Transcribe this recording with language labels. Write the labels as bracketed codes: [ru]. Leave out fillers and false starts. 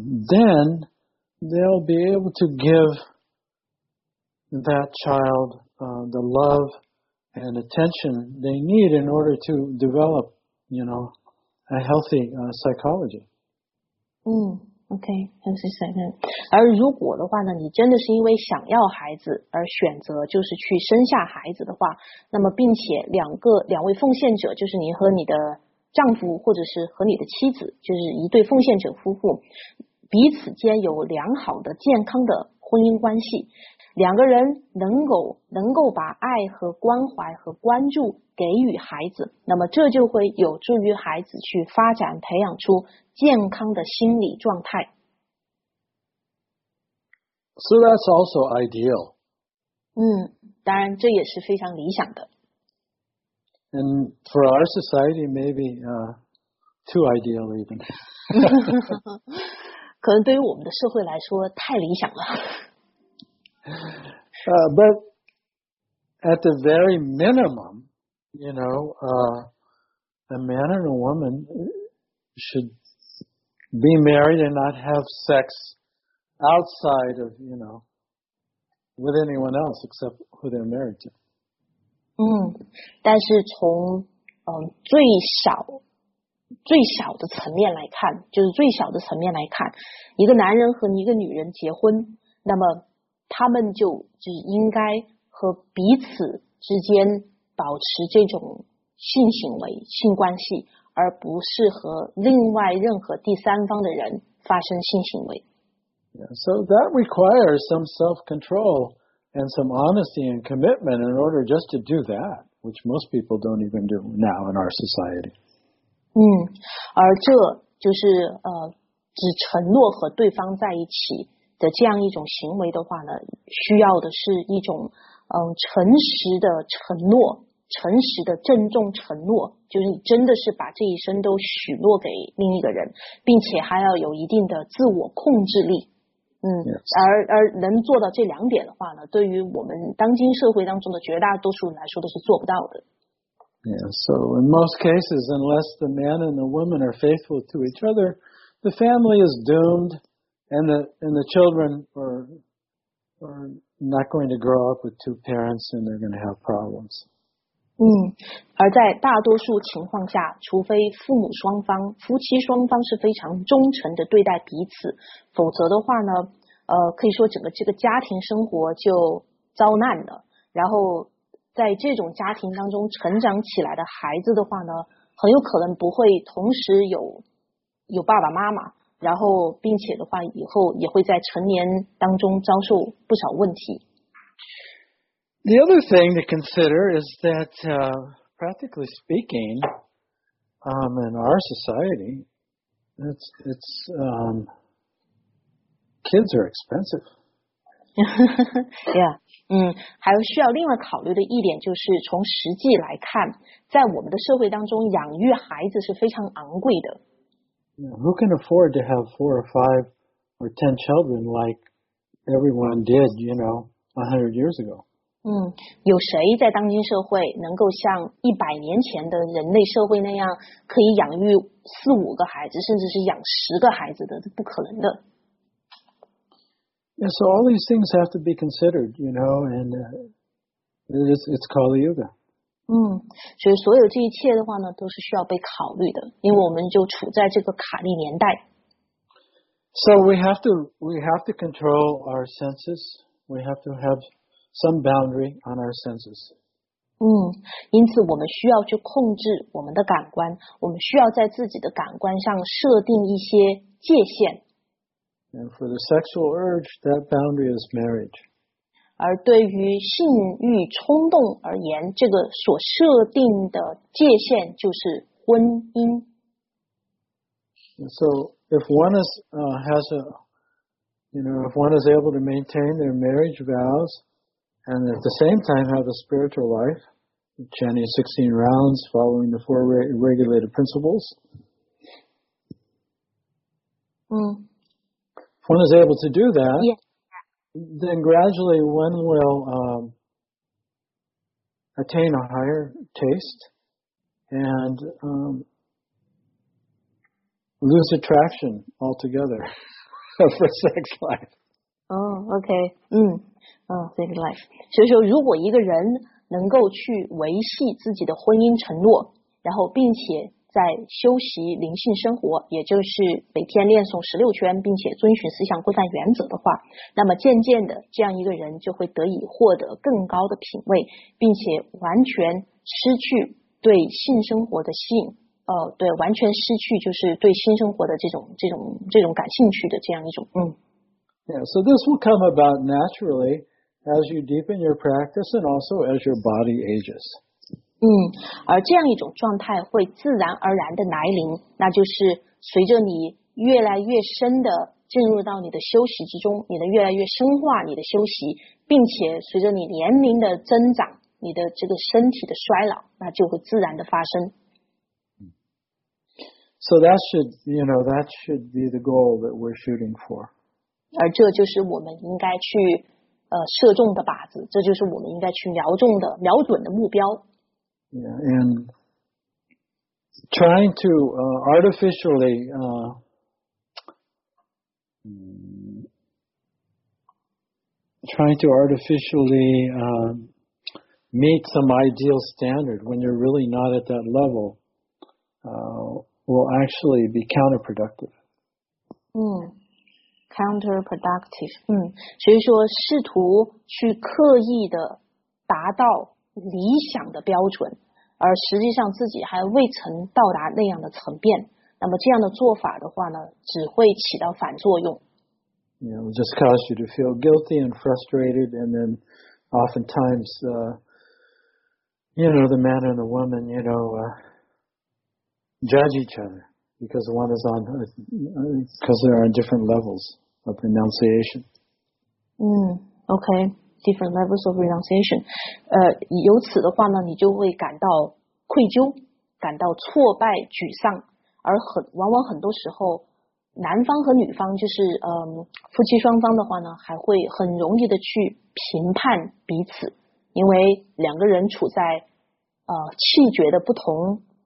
[en] then they'll be able to give that child the love and attention they need in order to develop, you know, a healthy psychology. [zh] OK, 很是神圣。而如果的话呢，你真的是因为想要孩子而选择就是去生下孩子的话，那么并且两位奉献者，就是你和你的丈夫或者是和你的妻子，就是一对奉献者夫妇，彼此间有良好的健康的婚姻关系，两个人能够把爱和关怀和关注给予孩子，那么这就会有助于孩子去发展培养出健康的心理状态。 [en] So that's also ideal. [zh] 当然这也是非常理想的。 [en] And for our society, maybe too ideal even. [zh] 可能对于我们的社会来说太理想了。 [en] But at the very minimum, you know, a man and a woman should be married and not have sex outside of, you know, with anyone else except who they're married to. [zh] 但是从最小的层面来看，就是最小的层面来看，一个男人和一个女人结婚，那么他们就是应该和彼此之间保持这种性行为、性关系，而不是和另外任何第三方的人发生性行为。 [en] Yeah, so that requires some self-control and some honesty and commitment in order just to do that, which most people don't even do now in our society. [zh] 而这就是只承诺和对方在一起的这样一种行为的话呢，需要的是一种诚实的承诺。诚实的郑重承诺，就是你真的是把这一生都许诺给另一个人，并且还要有一定的自我控制力。 [en] Yes. [zh] 而能做到这两点的话呢，对于我们当今社会当中的绝大多数人来说都是做不到的。 [en] Yeah, so in most cases, unless the man and the woman are faithful to each other, the family is doomed, and the children are not going to grow up with two parents, and they're going to have problems. [zh] 而在大多数情况下，除非父母双方、夫妻双方是非常忠诚的对待彼此，否则的话呢，可以说整个这个家庭生活就遭难了。然后在这种家庭当中成长起来的孩子的话呢，很有可能不会同时有爸爸妈妈，然后并且的话以后也会在成年当中遭受不少问题。 [en] The other thing to consider is that, practically speaking, in our society, it's kids are expensive. Yeah. [zh] 还有需要另外考虑的一点就是从实际来看，在我们的社会当中养育孩子是非常昂贵的。 [en] Who can afford to have 4 or 5 or 10 children like everyone did, you know, 100 years ago? [zh] 有谁在当今社会能够像100年前的人类社会那样可以养育4、5个孩子，甚至是养10个孩子的？不可能的。 [en] Yeah, so all these things have to be considered, you know, and it's called yoga. [zh] 所以所有这一切的话呢，都是需要被考虑的，因为我们就处在这个卡利年代。 [en] So we have to control our senses. We have to have some boundary on our senses. [zh] 因此我们需要去控制我们的感官，我们需要在自己的感官上设定一些界限。 [en] And for the sexual urge, that boundary is marriage. [zh] 而对于性欲冲动而言，这个所设定的界限就是婚姻。 [en] And so if one is, has a, you know, if one is able to maintain their marriage vows and at the same time have a spiritual life, chanting 16 rounds following the four regulated principles, if one is able to do that, then gradually one will attain a higher taste and lose attraction altogether for sex life. Oh, okay. Sex life. [zh] 所以说如果一个人能够去维系自己的婚姻承诺，然后并且在修习灵性生活，也就是每天念诵十六圈，并且遵循思想规范原则的话，那么渐渐的这样一个人就会得以获得更高的品位，并且完全失去对性生活的吸引。对，完全失去就是对新生活的这种感兴趣的这样一种。 [en] Yeah, so this will come about naturally as you deepen your practice and also as your body ages. [zh] 而这样一种状态会自然而然的来临，那就是随着你越来越深的进入到你的修习之中，你的越来越深化你的修习，并且随着你年龄的增长，你的这个身体的衰老，那就会自然的发生。 [en] So that should, you know, that should be the goal that we're shooting for. [zh] 而这就是我们应该去射中的靶子，这就是我们应该去瞄中的、瞄准的目标。 [en] Yeah, and trying to artificially meet some ideal standard when you're really not at that level. Will actually be counterproductive. Counterproductive. [zh] 所以说试图去刻意的达到理想的标准，而实际上自己还未曾到达那样的层面，那么这样的做法的话呢，只会起到反作用。 [en] You know, just cause you to feel guilty and frustrated, and then oftentimes, you know, the man and the woman, you know, judge each other because one is on because there are different levels of renunciation. Okay, different levels of renunciation. [zh] 由此的话呢，你就会感到愧疚，感到挫败、沮丧，而往往很多时候，男方和女方就是夫妻双方的话呢，还会很容易的去评判彼此，因为两个人处在气绝的不同。